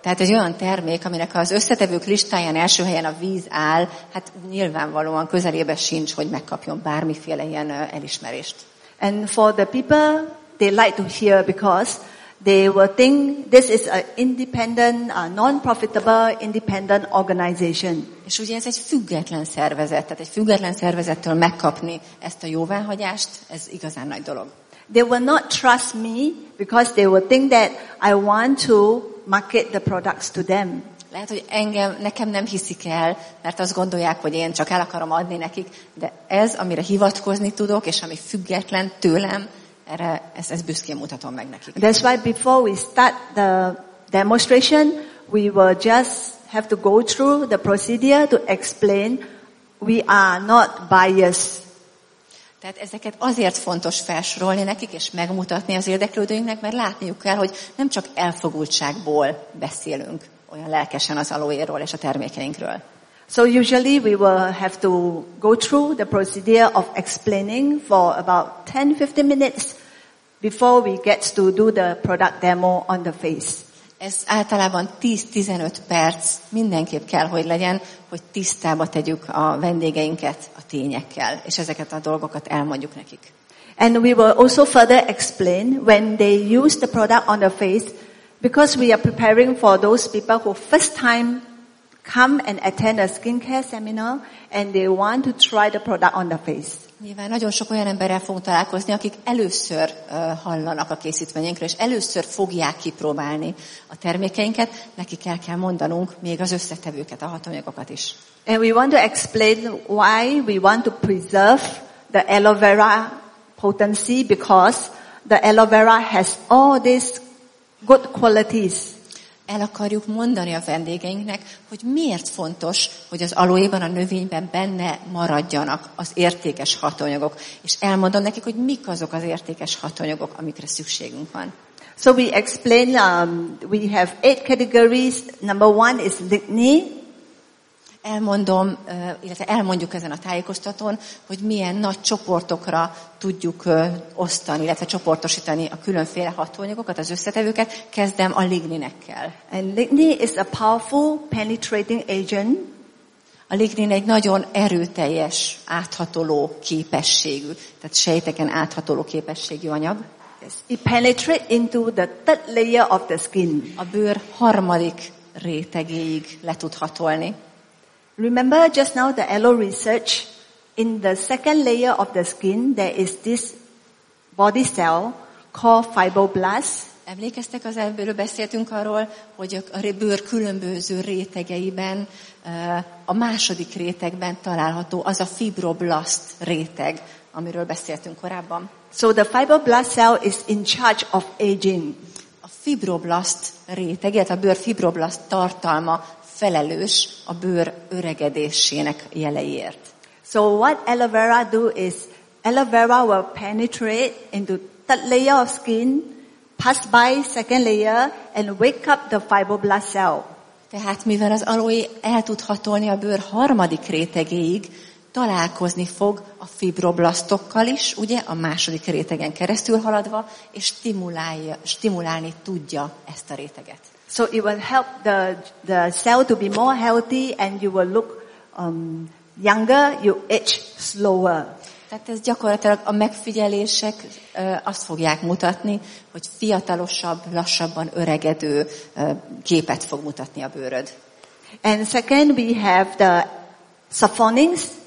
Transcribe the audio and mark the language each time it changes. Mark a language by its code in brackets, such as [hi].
[hu] Tehát egy olyan termék, aminek az összetevők listáján első helyen a víz áll, hát nyilvánvalóan közelébe sincs, hogy megkapjon bármiféle ilyen elismerést. [en] And for the people, they like to hear because they will think this is an independent, non-profitable, independent organization. [hu] És ugye ez egy független szervezet, tehát egy független szervezettől megkapni ezt a jóváhagyást, ez igazán nagy dolog. [en] They will not trust me because they will think that I want to market the products to them. [hu] Lehet, hogy engem, nekem nem hiszik el, mert azt gondolják, hogy én csak el akarom adni nekik, de ez, amire hivatkozni tudok, és ami független tőlem, erre ezt büszkén mutatom meg nekik. [en] That's why before we start the demonstration, we will just have to go through the procedure to explain we are not biased. [hu] Tehát ezeket azért fontos felsorolni nekik és megmutatni az érdeklődőinknek, mert látniuk kell, hogy nem csak elfogultságból beszélünk olyan lelkesen az aloéról és a termékeinkről. [en] So usually we will have to go through the procedure of explaining for about 10-15 minutes before we get to do the product demo on the face. [hu] Ez általában 10-15 perc mindenképp kell, hogy legyen, hogy tisztába tegyük a vendégeinket a tényekkel, és ezeket a dolgokat elmondjuk nekik. [en] And we will also further explain when they use the product on the face, because we are preparing for those people who first time come and attend a skincare seminar and they want to try the product on the face. [hu] Nyilván nagyon sok olyan emberrel fogunk találkozni, akik először hallanak a készítményünkről, és először fogják kipróbálni a termékeinket. Nekik el kell mondanunk még az összetevőket, a hatóanyagokat is. [en] And we want to explain why we want to preserve the aloe vera potency, because the aloe vera has all these good qualities. [hu] El akarjuk mondani a vendégeinknek, hogy miért fontos, hogy az aloéban, a növényben benne maradjanak az értékes hatóanyagok. És elmondom nekik, hogy mik azok az értékes hatóanyagok, amikre szükségünk van. [en] So we explain, we have 8 categories. Number 1 is lignin. [hu] Elmondom, illetve elmondjuk ezen a tájékoztatón, hogy milyen nagy csoportokra tudjuk osztani, illetve csoportosítani a különféle hatóanyagokat, az összetevőket. Kezdem a ligninekkel. [en] And lignin is a powerful penetrating agent. [hu] A lignin egy nagyon erőteljes, áthatoló képességű, tehát sejteken áthatoló képességű anyag. [en] Yes. It penetrates into the third layer of the skin. [hu] A bőr harmadik rétegéig le tud hatolni. [en] Remember just now the aloe research, in the second layer of the skin there is this body cell called fibroblast. [hu] Emlékeztek, az előbb beszéltünk arról, hogy a bőr különböző rétegeiben, a második rétegben található az a fibroblast réteg, amiről beszéltünk korábban. [en] So the fibroblast cell is in charge of aging. [hu] A fibroblast réteg, tehát a bőr fibroblast tartalma felelős a bőr öregedésének jeleiért. [en] So what aloe vera do is aloe vera will penetrate into third layer of skin, pass by second layer and wake up the fibroblast cell. [hu] Tehát mivel az aloe el tud hatolni a bőr harmadik rétegéig, találkozni fog a fibroblastokkal is, ugye a második rétegen keresztül haladva, és stimulálni tudja ezt a réteget. [en] So it will help the cell to be more healthy and you will look younger, you age slower. [hu] Tehát ez gyakorlatilag a megfigyelések azt fogják mutatni, hogy fiatalosabb, lassabban öregedő képet fog mutatni a bőröd. [en] And second, we have the saponins.